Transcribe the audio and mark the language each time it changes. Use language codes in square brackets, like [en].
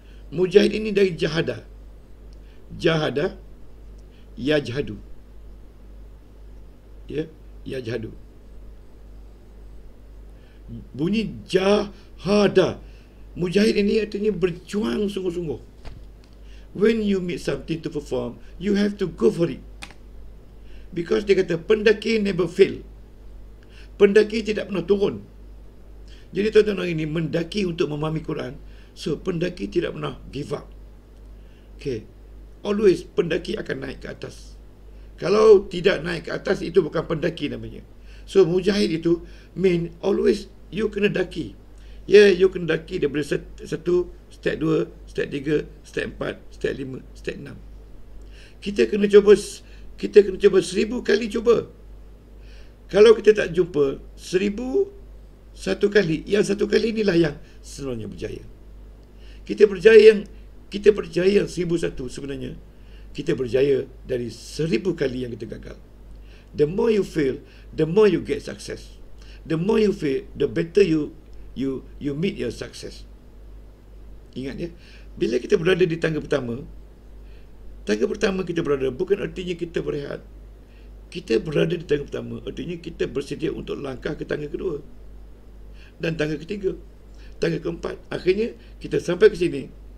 [ms] Mujahid ini dari jahadah. Jahada, yajhadu. Ya, yajhadu. Bunyi jahada. Mujahid ini artinya berjuang sungguh-sungguh. [en] When you meet something to perform, you have to go for it. Because [ms] dia kata pendaki [en] never fail. [ms] Pendaki tidak pernah turun. Jadi tuan-tuan hari ini mendaki untuk memahami Quran, so pendaki tidak pernah [en] give up. [ms] Okay, always pendaki akan naik ke atas. Kalau tidak naik ke atas, itu bukan pendaki namanya. So mujahid itu [en] mean always you [ms] kena daki. Yeah, you kena daki daripada satu, step dua, step tiga, step empat, step lima, step enam. Kita kena cuba 1,000 kali cuba. Kalau kita tak jumpa 1,001 kali, yang satu kali inilah yang sebenarnya berjaya. Kita berjaya yang 1,001 sebenarnya. Kita berjaya dari 1,000 kali yang kita gagal. [en] The more you fail, the more you get success. The more you fail, the better you meet your success. [ms] Ingat ya, bila kita berada di tangga pertama kita berada bukan artinya kita berehat. Kita berada di tangga pertama artinya kita bersedia untuk langkah ke tangga kedua dan tangga ketiga, tangga keempat. Akhirnya kita sampai ke sini.